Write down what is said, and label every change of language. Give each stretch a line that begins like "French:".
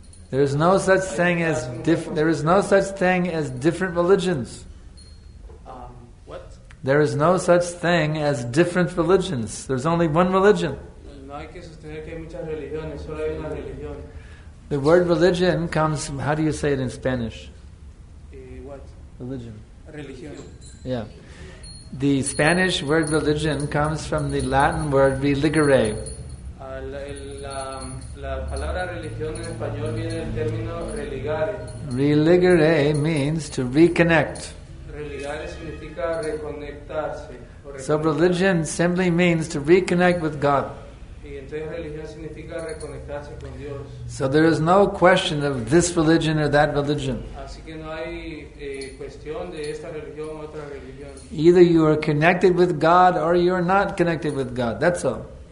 English: There is no such thing as different religions. What? There is no such thing as different religions. There's only one religion.
Spanish: No hay que sostener que hay muchas religiones, solo hay una religión.
English: The word religion comes from, how do you say it in Spanish? What? Religion.
Spanish: Religión.
English: Yeah. The Spanish word religion comes from the Latin word religare. Religare means to reconnect.
Spanish: Religare significa reconectarse.
English: So religion simply means to reconnect with God.
Spanish: Entonces, religión significa reconectarse con Dios.
English: So there is no question of this religion or that religion.
Spanish: Así que no hay, cuestión de esta religión o otra religión.
English: Either you are connected with God or you are not connected with God. That's all.